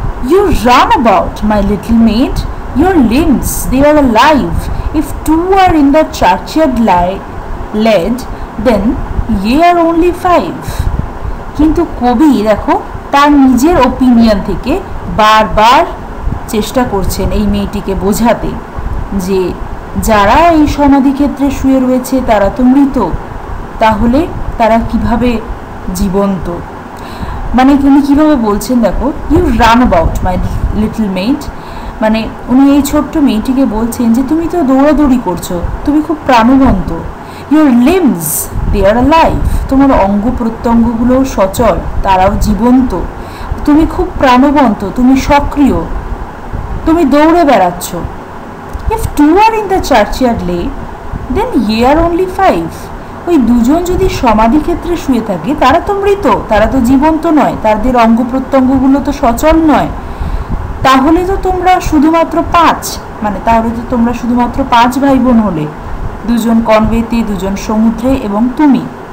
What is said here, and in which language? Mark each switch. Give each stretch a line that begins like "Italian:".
English: you run about my little maid your limbs they are live if two are in the churchyard lie laid then ye are only 5
Bangla: কিন্তু কবি দেখো তার নিজের opinion থেকে বারবার চেষ্টা করছেন এই মেয়েটিকে বোঝাতে যে যারা এই সমাধি ক্ষেত্রে শুয়ে রয়েছে তারা তো মৃত তাহলে তারা কিভাবে জীবন্ত মানে তিনি কিভাবে বলছেন দেখো
English: you run about my little maid
Bangla: মানে উনি এই ছোট্ট মেয়েটিকে বলছেন যে তুমি তো দৌড়াদৌড়ি করছো তুমি খুব প্রাণবন্ত
English: Your limbs, they are alive.
Bangla: তোমার অঙ্গ প্রত্যঙ্গগুলো সচল, তারাও জীবন্ত। তুমি খুব প্রাণবন্ত, তুমি সক্রিয়, তুমি দৌড়ে বেড়াচ্ছ।
English: If two are in the churchyard lay, then ye are only five.
Bangla: ওই দুজন যদি সমাধি ক্ষেত্রে শুয়ে থাকে, তারা তো মৃত, তারা তো জীবন্ত নয়, তাদের অঙ্গ প্রত্যঙ্গগুলো তো সচল নয়। তাহলে তো তোমরা শুধুমাত্র পাঁচ, মানে তাহলে তো তোমরা শুধুমাত্র পাঁচ ভাই বোন হলে, দুজন কনভেতে, দুজন সমুদ্রে এবং তুমি।